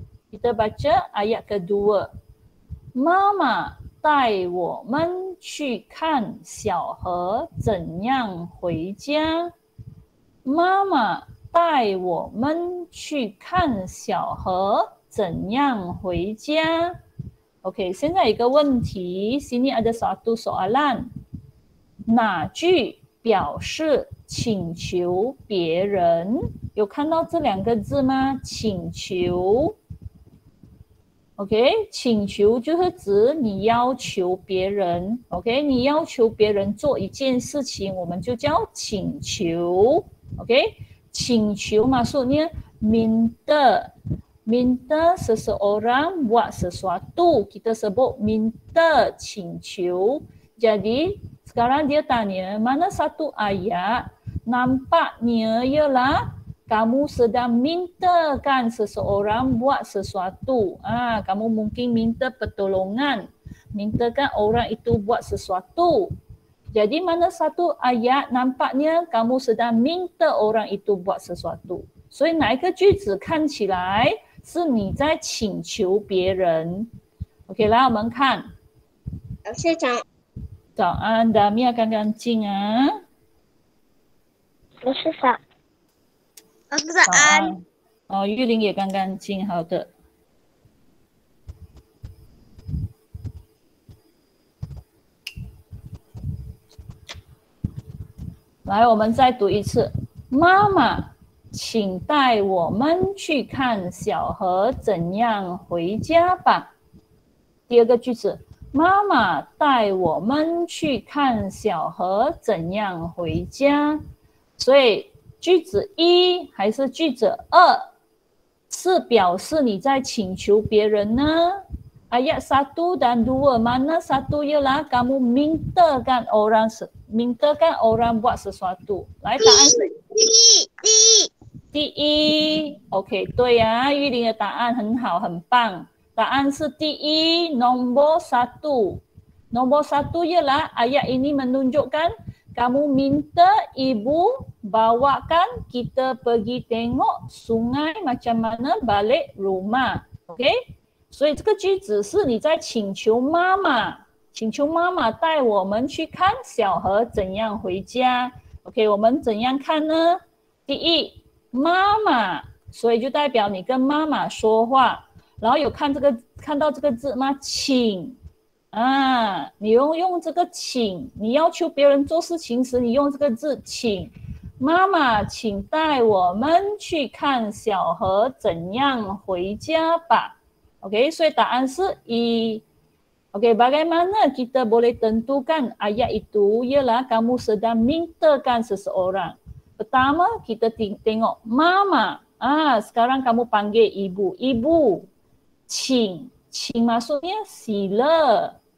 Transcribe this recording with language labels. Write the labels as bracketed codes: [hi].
[ms] Kita baca ayat kedua。 [zh] 妈妈带我们去看小河怎样回家。妈妈带我们去看小河怎样回家。 OK, 现在一个问题 , [ms] sini ada satu soalan。 [zh] 哪句表示请求别人？有看到这两个字吗？请求。 OK, 请求就是指你要求别人。 OK, 你要求别人做一件事情我们就叫请求。 [ms] OK, 请求 maksudnya minta, minta seseorang buat sesuatu, kita sebut minta, 请求. Jadi sekarang dia tanya mana satu ayat nampaknya ialah kamu sedang mintakan seseorang buat sesuatu. Ah, kamu mungkin minta pertolongan, mintakan orang itu buat sesuatu. Jadi mana satu ayat nampaknya kamu sedang minta orang itu buat sesuatu. [zh] 所以哪一个句子看起来是你在请求别人？ OK, 来我们看。老师早。早安 ，Damia 刚刚进啊。老师早。老师早安。哦，玉玲也刚刚进，好的。来，我们再读一次。妈妈，请带我们去看小河怎样回家吧。第二个句子，妈妈带我们去看小河怎样回家。所以句子一还是句子二，是表示你在请求别人呢？ [ms] Ayat satu dan dua, mana satu ialah kamu mintakan orang buat sesuatu. [zh] 来答案。第一。 OK, 对啊，玉玲的答案很好，很棒。答案是第一 ， [ms] nombor satu。 Nombor satu ialah ayat ini menunjukkan kamu minta ibu bawakan kita pergi tengok sungai macam mana balik rumah. Okay? [zh] 所以这个句子是你在请求妈妈，请求妈妈带我们去看小河怎样回家。 Okay, 我们怎样看呢？第一，妈妈，所以就代表你跟妈妈说话。然后有看这个，看到这个字吗？请。啊，你用这个请，你要求别人做事情时，你用这个字请。妈妈，请带我们去看小河怎样回家吧。 OK, 所以答案是一。 [ms] OK, bagaimana kita boleh tentukan ayat itu ialah kamu sedang mintakan seseorang. Pertama, kita tengok mama. Ah, sekarang kamu panggil ibu. Ibu,请.请 maksudnya sila.